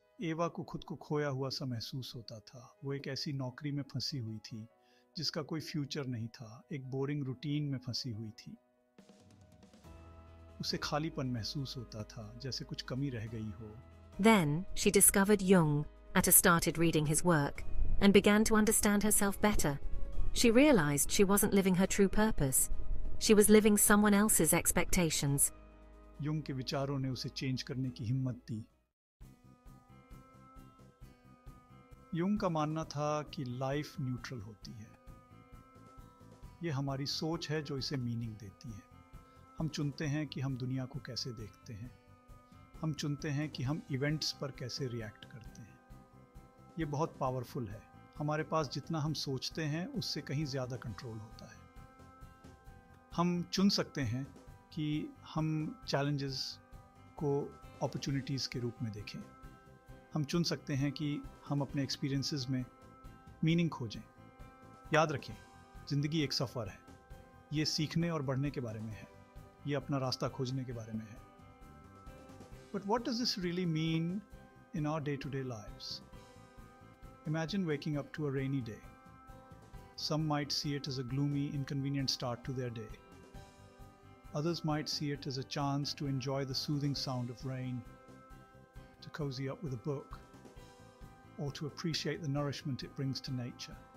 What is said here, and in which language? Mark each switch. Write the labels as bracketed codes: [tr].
[hi] एवा को खुद को खोया हुआ सा महसूस होता था। वो एक ऐसी नौकरी में फंसी हुई थी जिसका कोई फ्यूचर नहीं था, एक बोरिंग रूटीन में फंसी हुई थी। उसे खालीपन महसूस होता था, जैसे कुछ कमी रह गई हो। [en] Then she discovered Jung and started reading his work and began to understand herself better. She realized she wasn't living her true purpose. She was living someone else's expectations. [hi] Jung के विचारों ने उसे चेंज करने की हिम्मत दी। Jung का मानना था कि लाइफ न्यूट्रल होती है। ये हमारी सोच है जो इसे मीनिंग देती है। हम चुनते हैं कि हम दुनिया को कैसे देखते हैं। हम चुनते हैं कि हम इवेंट्स पर कैसे रिएक्ट करते हैं। ये बहुत पावरफुल है। हमारे पास जितना हम सोचते हैं उससे कहीं ज़्यादा कंट्रोल होता है। हम चुन सकते हैं कि हम चैलेंजेस को अपॉर्चुनिटीज़ के रूप में देखें। हम चुन सकते हैं कि हम अपने एक्सपीरियंसेस में मीनिंग खोजें। याद रखें, ज़िंदगी एक सफ़र है। ये सीखने और बढ़ने के बारे में है, ये अपना रास्ता खोजने के बारे में है। [en] But what does this really mean in our day-to-day lives? Imagine waking up to a rainy day. Some might see it as a gloomy, inconvenient start to their day. Others might see it as a chance to enjoy the soothing sound of rain, to cozy up with a book, or to appreciate the nourishment it brings to nature.